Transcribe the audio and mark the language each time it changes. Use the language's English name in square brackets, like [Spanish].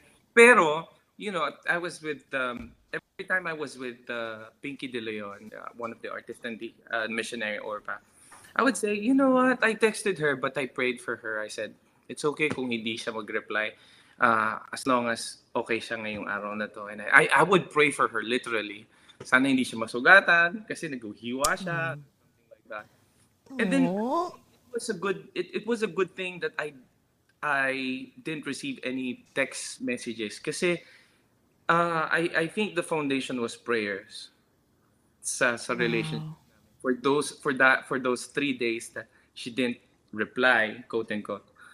[English] Pero, you know, I was with, every time I was with Pinky De Leon, one of the artists and the missionary Orpa, I would say, you know what, I texted her, but I prayed for her. I said, it's okay [Filipino] kung hindi siya mag-reply. As long as okay siya ngayong araw na to. [English] And I would pray for her, literally. [Filipino] Sana hindi siya masugatan kasi naghihiwa siya. [English] Something like that. And then, it was a good thing that I didn't receive any text messages kasi I think the foundation was prayers sa relationship. Wow. for those 3 days that she didn't reply, quote unquote.